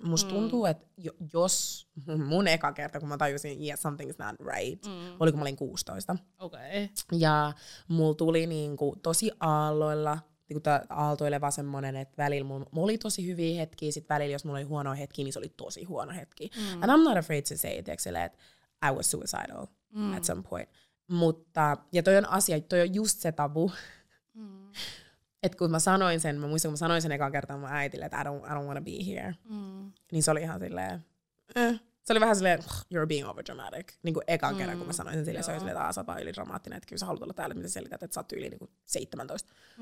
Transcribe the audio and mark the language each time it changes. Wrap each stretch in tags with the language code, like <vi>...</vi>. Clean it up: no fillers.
<fi>Musta tuntuu, että jos mun eka kerta, kun mä tajusin, yeah,</fi> <en>something is not right,</en> <fi>oli kun mä olin 16. Okei. Okay. Ja mulla tuli niinku tosi aalloilla. Niin kuin aaltoileva semmoinen, että välillä mulla oli tosi hyviä hetkiä, sit välillä jos mulla oli huono hetki, niin se oli tosi huono hetki.</fi> <en>And I'm not afraid to say it, että I was suicidal at some point.</en> <fi>Mutta, ja toi on asia, toi on just se tabu. Että kun mä sanoin sen, mä muistan, kun mä sanoin sen ekan kertaan mun äitille, että</fi> <en>I don't wanna be here.</en> <fi>Niin se oli ihan silleen, se oli vähän silleen,</fi> <en>you're being overdramatic.</en> <fi>Niin kuin ekan kerran, kun mä sanoin sen silleen, se oli silleen, että sä oot vaan ylidramaattinen, että kyllä sä haluat olla täällä, mitä selität, että sä oot yli niin kuin 17.</fi>